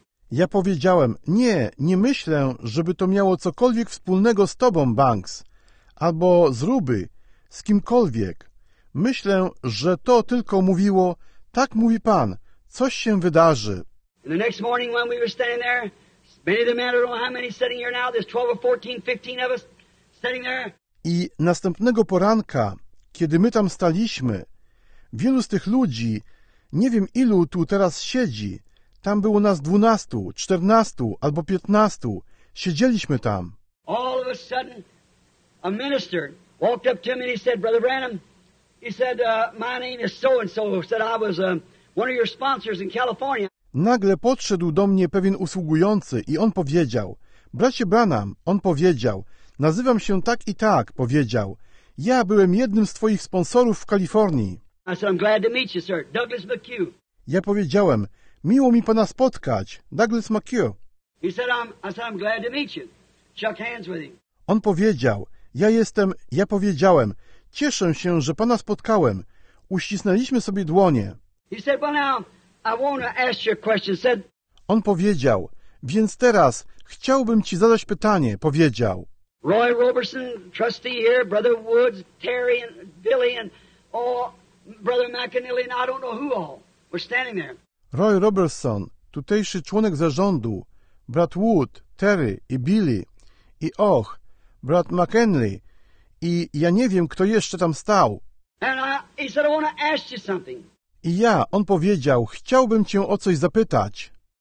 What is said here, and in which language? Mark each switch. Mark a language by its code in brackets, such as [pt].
[pl] Ja powiedziałem, nie, nie myślę, żeby to miało cokolwiek wspólnego z Tobą, Banks, albo z Ruby, z kimkolwiek. Myślę, że to tylko mówiło, tak mówi Pan, coś się wydarzy. [en] And the next morning when we were standing there, many of the men, I don't know how many sitting here now, there's 12 or 14, 15 of us sitting there. [pl] I następnego poranka, kiedy my tam staliśmy, wielu z tych ludzi, nie wiem ilu tu teraz siedzi, tam było nas 12, 14 albo 15, siedzieliśmy tam. [en] All of a sudden, a minister walked up to me and he said, Brother Branham, he said, my name is so-and-so, said I was one of your sponsors in California. [pl] Nagle podszedł do mnie pewien usługujący i on powiedział, bracie Branham, on powiedział, nazywam się tak i tak, powiedział, ja byłem jednym z twoich sponsorów w Kalifornii. [en] I said, I'm glad to meet you, sir. Douglas McHugh. [pl] Ja powiedziałem, miło mi pana spotkać, Douglas McHugh. [en] He said, I'm glad to meet you. Shook hands with him. [pl] On powiedział, ja powiedziałem, cieszę się, że pana spotkałem, uścisnęliśmy sobie dłonie. [en] He said, well now, I want to ask you a question. Said, [pl] on powiedział, więc teraz chciałbym ci zadać pytanie, powiedział. [en] Roy Roberson, trustee here, Brother Woods, Terry and Billy and all, Brother McAnally and I don't know who all were standing there. [pl] Roy Roberson, tutejszy członek zarządu, brat Wood, Terry i Billy i och, brat McAnally i ja nie wiem, kto jeszcze tam stał. [en] And he said, I want to ask you something. [pl] I ja, on powiedział, chciałbym cię o coś zapytać.